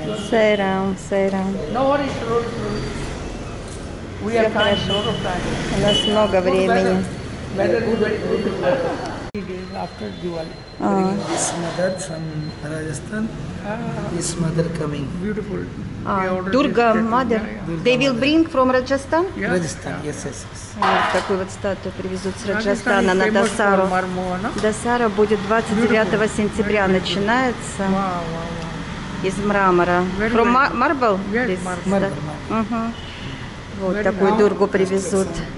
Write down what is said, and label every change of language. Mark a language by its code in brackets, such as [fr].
[ru] Сайрам, сайрам. Все хорошо. У нас много времени. [en] after Diwali. This mother from Rajasthan. This mother coming. Beautiful. Durga mother. They will bring from Rajasthan? Yeah. Rajasthan, yes, yes, yes. [ru] Такую вот статую привезут с Раджастана на Дасару. Дасара будет 29 сентября. Начинается из мрамора. [en] From marble? Yes, marble. [ru] Вот такую дургу привезут.